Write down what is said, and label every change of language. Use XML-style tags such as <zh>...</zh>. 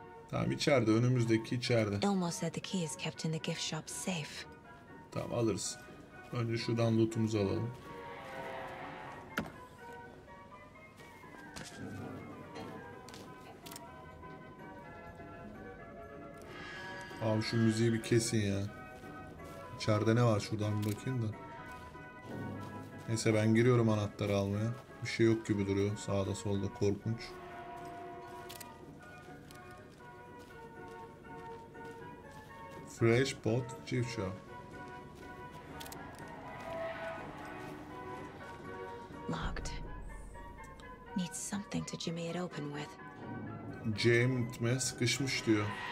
<tr>Tamam, içeride, önümüzdeki içeride.</tr> <en>Ilmo said the key is kept in the gift shop safe.</en> <tr>Tamam, alırız. Önce şuradan loot'umuzu alalım. Abi şu müziği bir kesin ya. İçeride ne var şuradan bir bakayım da. Neyse ben giriyorum anahtarı almaya. Bir şey yok gibi duruyor sağda solda, korkunç.</tr> <en>Fresh pot chief shop. Locked. Need something to jimmy it open with.</en> <tr>Jimmy'ye sıkışmış diyor.</tr>